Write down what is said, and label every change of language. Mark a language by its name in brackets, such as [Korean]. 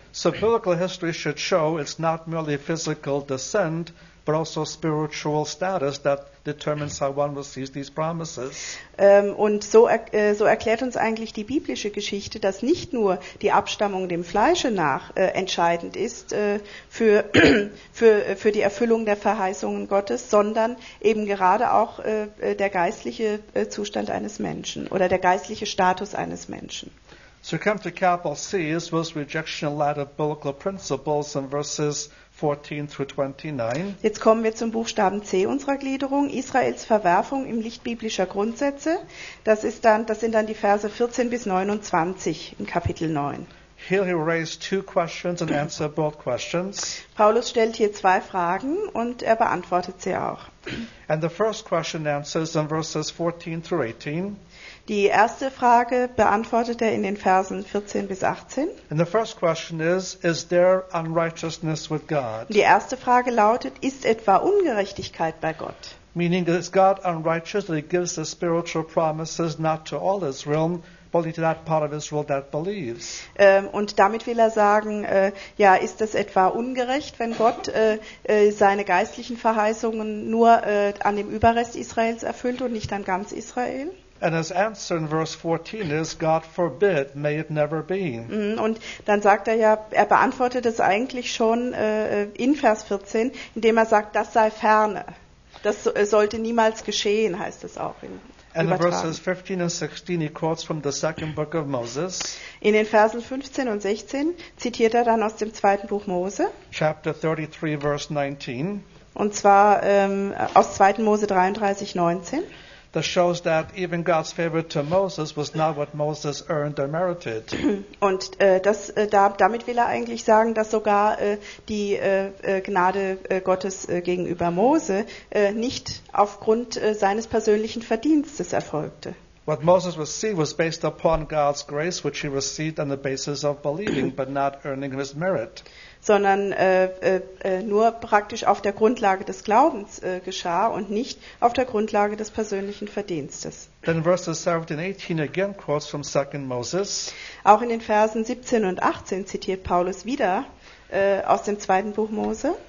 [English] So biblical history should show it's not merely physical descent, but also spiritual status that determines how one receives these promises. [German] Und so erklärt uns eigentlich die biblische Geschichte, dass nicht nur die Abstammung dem Fleische nach entscheidend ist für die Erfüllung der Verheißungen Gottes, sondern eben gerade auch der geistliche Zustand eines Menschen oder der geistliche Status eines Menschen. [English] So come to capital C, this was rejection in light of biblical principles in verses 14 through 29. [German] Jetzt kommen wir zum Buchstaben C unserer Gliederung, Israels Verwerfung im Licht biblischer Grundsätze. Das sind dann die Verse 14 bis 29 in Kapitel 9. [English] Here he raised two questions and answered both questions. [German] Paulus stellt hier zwei Fragen und er beantwortet sie auch. [English] And the first question answers in verses 14 through 18. [German] Die erste Frage beantwortet er in den Versen 14 bis 18. [English] And the first question is there unrighteousness with God? [German] Die erste Frage lautet, ist etwa Ungerechtigkeit bei Gott? [English] Meaning, is God unrighteous that he gives the spiritual promises not to all Israel, but only to that part of Israel that believes? [German] Und damit will er sagen, ist es etwa ungerecht, wenn Gott seine geistlichen Verheißungen nur an dem Überrest Israels erfüllt und nicht an ganz Israel? [English] And his answer in verse 14 is, God forbid, may it never be. [German] Und dann sagt er ja, er beantwortet es eigentlich schon in Vers 14, indem er sagt, das sei ferne. Das sollte niemals geschehen, heißt es auch in [English] And in verses 15 and 16 he quotes from the second book of Moses. [German] In den Versen 15 und 16 zitiert er dann aus dem zweiten Buch Mose. [English] Chapter 33, verse 19. [German] Und zwar aus 2. Mose 33, 19. [English] That shows that even God's favor to Moses was not what Moses earned or merited. [German] Und damit will er eigentlich sagen, dass sogar die Gnade Gottes gegenüber Mose nicht aufgrund seines persönlichen Verdienstes erfolgte. [English] What Moses received was based upon God's grace, which he received on the basis of believing, but not earning his merit. [German] Sondern nur praktisch auf der Grundlage des Glaubens geschah und nicht auf der Grundlage des persönlichen Verdienstes. [English] Then verses 17 and 18 again quotes from 2 Moses. [German] Auch in den Versen 17 und 18 zitiert Paulus wieder aus dem zweiten Buch Mose.